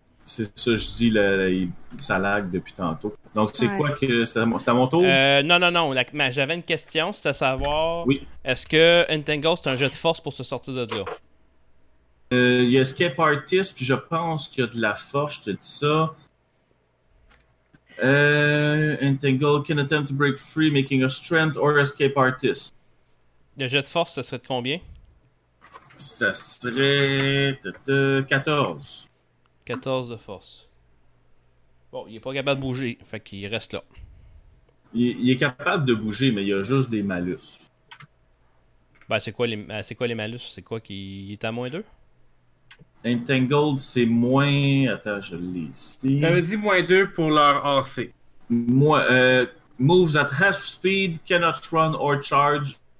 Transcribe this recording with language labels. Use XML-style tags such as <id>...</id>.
<fr>C'est ça, je dis, ça lag depuis tantôt. Donc, c'est ouais. Quoi que... C'est à mon tour? Non. Mais j'avais une question, c'est à savoir... Oui. Est-ce que Entangle, c'est un jeu de force pour se sortir de là? Il y a Escape Artist, puis je pense qu'il y a de la force, je te dis ça.</fr> <en>Entangle can attempt to break free, making a strength or Escape Artist.</en> <fr>Le jeu de force, ça serait de combien? Ça serait... 14. 14 de force. Bon, il est pas capable de bouger, fait qu'il reste là. Il est capable de bouger, mais il a juste des malus. Ben, c'est quoi les malus? C'est quoi qui est à moins 2? Entangled, c'est moins... Attends, je l'ai ici. T'avais dit moins 2 pour leur AC.</fr> <en>Moves at half speed, cannot run or charge.</en>